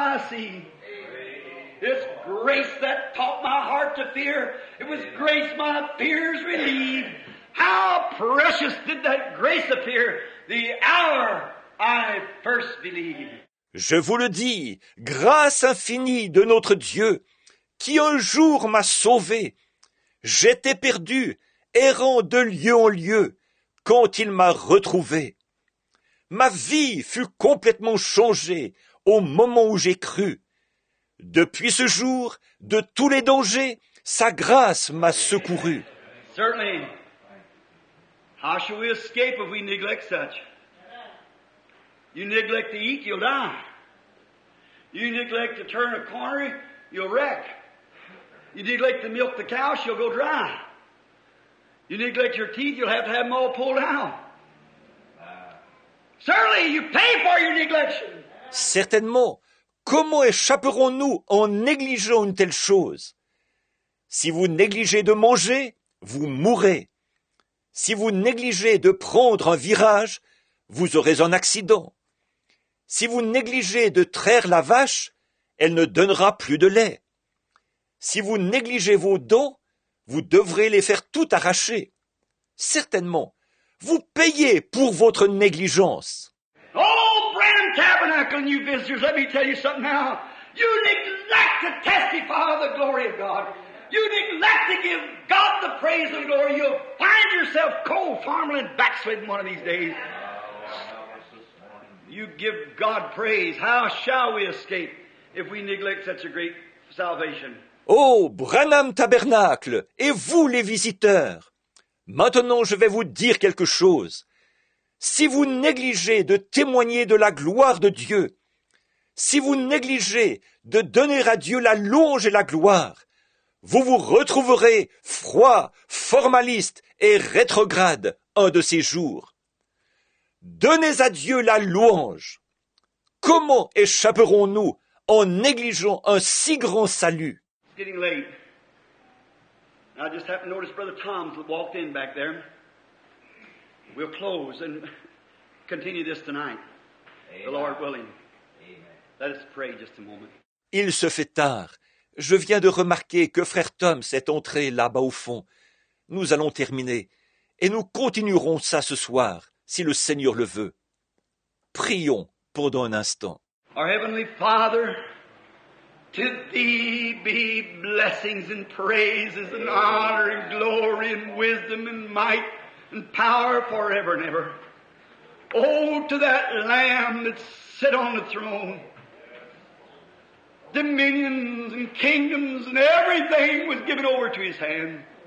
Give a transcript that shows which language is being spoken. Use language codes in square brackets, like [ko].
[en] It's grace that taught my heart to fear. It was grace my fears relieved. How precious did that grace appear the hour I first believed. [fr] Je vous le dis, grâce infinie de notre Dieu, qui un jour m'a sauvé. J'étais perdu, errant de lieu en lieu, quand il m'a retrouvé. Ma vie fut complètement changée au moment où j'ai cru. Depuis ce jour, de tous les dangers, sa grâce m'a secouru. [en] Certainly. How shall we escape if we neglect such? You neglect to eat, you'll die. You neglect to turn a corner, you'll wreck. You neglect to milk the cow, she'll go dry. You neglect your teeth, you'll have to have them all pulled out. Surely you pay for your neglection. [fr] Certainement. Comment échapperons-nous en négligeant une telle chose? Si vous négligez de manger, vous mourrez. Si vous négligez de prendre un virage, vous aurez un accident. Si vous négligez de traire la vache, elle ne donnera plus de lait. Si vous négligez vos dents, vous devrez les faire tout arracher. Certainement, vous payez pour votre négligence. [en] Oh, Brand Tabernacle, new visitors, let me tell you something now. You neglect to testify of the glory of God. You neglect to give God the praise and glory. You'll find yourself cold, farmland, backslidden one of these days. You give God praise. How shall we escape if we neglect such a great salvation? [fr] Oh, Branham Tabernacle, et vous les visiteurs, maintenant je vais vous dire quelque chose. Si vous négligez de témoigner de la gloire de Dieu, si vous négligez de donner à Dieu la louange et la gloire, vous vous retrouverez froid, formaliste et rétrograde un de ces jours. Donnez à Dieu la louange. Comment échapperons-nous en négligeant un si grand salut? [en] It's getting late. I just happened to notice Brother Tom walked in back there. We'll close and continue this tonight. Amen. The Lord willing. Amen. Let us pray just a moment. [fr] Il se fait tard. Je viens de remarquer que frère Tom s'est entré là-bas au fond. Nous allons terminer et nous continuerons ça ce soir, si le Seigneur le veut. Prions pendant un instant. [en] Our Heavenly Father, to Thee be blessings and praises and honor and glory and wisdom and might and power forever and ever. Oh, to that Lamb that sit on the throne, dominions and kingdoms and everything was given over to His hand.